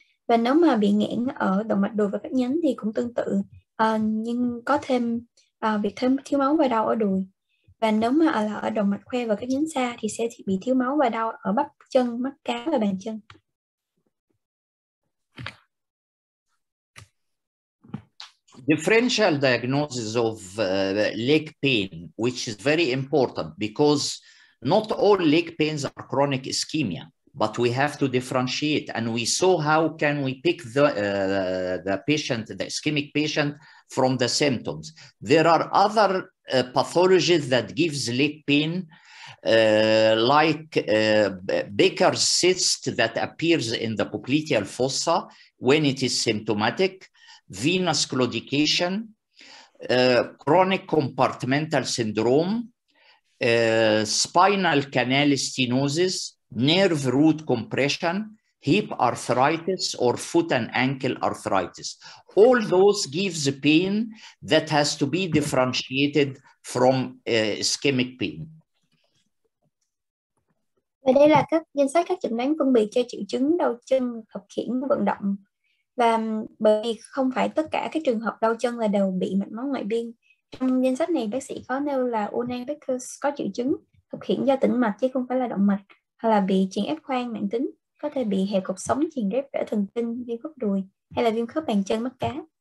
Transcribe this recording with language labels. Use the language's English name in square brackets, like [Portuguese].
[Vietnamese] Và nếu mà bị nghẽn ở động mạch đùi và các nhánh thì cũng tương tự, nhưng có thêm việc thêm thiếu máu và đau ở đùi. Và nếu mà là ở động mạch khoe và các nhánh xa thì sẽ bị thiếu máu và đau ở bắp chân, mắt cá và bàn chân. [English] Differential diagnosis of leg pain, which is very important because not all leg pains are chronic ischemia, but we have to differentiate. And we saw how can we pick the patient, the ischemic patient, from the symptoms. There are other pathologies that gives leg pain, like Baker's cyst that appears in the popliteal fossa when it is symptomatic, venous claudication, chronic compartmental syndrome, spinal canal stenosis, nerve root compression, hip arthritis or foot and ankle arthritis. All those gives pain that has to be differentiated from ischemic pain. [Vietnamese] Và đây là các danh sách các chẩn đoán phân biệt cho triệu chứng đau chân khập khiễng vận động. Và bởi vì không phải tất cả các trường hợp đau chân là đều bị mạch máu ngoại biên. Trong danh sách này bác sĩ có nêu là ulna Baker's có triệu chứng khập khiễng do tĩnh mạch chứ không phải là động mạch, hay là bị chèn ép khoang mạng tính, có thể bị hẹp cột sống, chèn ép rễ thần kinh, viêm khớp đùi, hay là viêm khớp bàn chân, mắt cá.